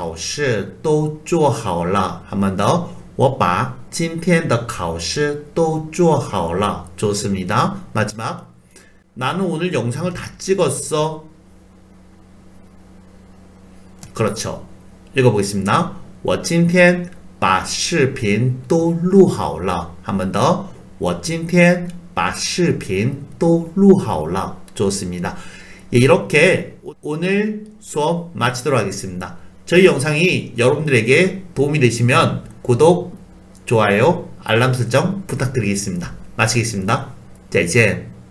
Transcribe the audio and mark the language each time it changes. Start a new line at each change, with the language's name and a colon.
Chinese: 我把今天的考试都做好了.
Korean: 한 번 더.
Chinese: 我把今天的考试都做好了.
Korean: 좋습니다. 마지막. 나는 오늘 영상을 다 찍었어. 그렇죠. 읽어보겠습니다.
Chinese: 我今天把视频都录好了.
Korean: 한 번 더.
Chinese: 我今天把视频都录好了.
Korean: 좋습니다. 예, 이렇게 오늘 수업 마치도록 하겠습니다. 저희 영상이 여러분들에게 도움이 되시면 구독, 좋아요, 알람 설정 부탁드리겠습니다. 마치겠습니다. 자, 이제.